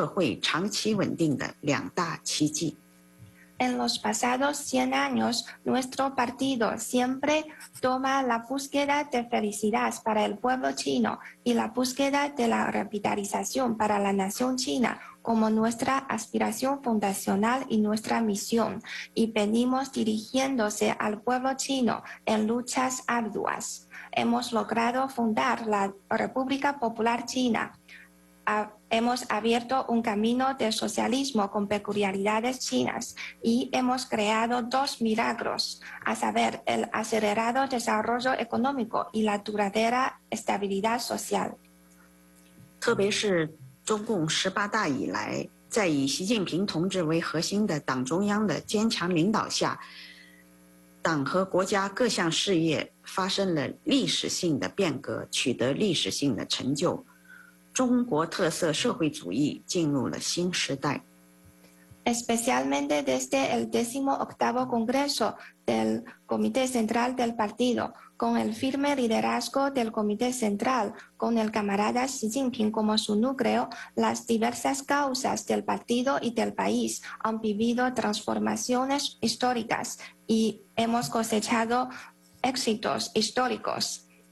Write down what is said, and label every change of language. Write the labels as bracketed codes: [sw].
[zh] 一百年来，我们党始终把为中国人民谋幸福、为中华民族谋复兴作为初心使命，团结带领中国人民艰苦奋斗，建立了新中国，开辟了中国特色社会主义道路，创造了经济快速发展和社会长期稳定的两大奇迹。 [es] En los pasados 100 años, nuestro partido siempre toma la búsqueda de felicidad para el pueblo chino y la búsqueda de la revitalización para la nación china como nuestra aspiración fundacional y nuestra misión, y venimos dirigiéndose al pueblo chino en luchas arduas. Hemos logrado fundar la República Popular China. Hemos abierto un camino de socialismo con peculiaridades chinas y hemos creado dos milagros, a saber, el acelerado desarrollo económico y la duradera estabilidad social. [zh] 特别是中共18大以来, 在以习近平同志为核心的党中央的坚强领导下, 党和国家各项事业发生了历史性的变革, 取得历史性的成就。中国特色社会主义进入了新时代。 [es] Especialmente desde el 18º Congreso del Comité Central del Partido, con el firme liderazgo del Comité Central, con el camarada Xi Jinping como su núcleo, las diversas causas del partido y del país han vivido transformaciones históricas y hemos cosechado éxitos históricos.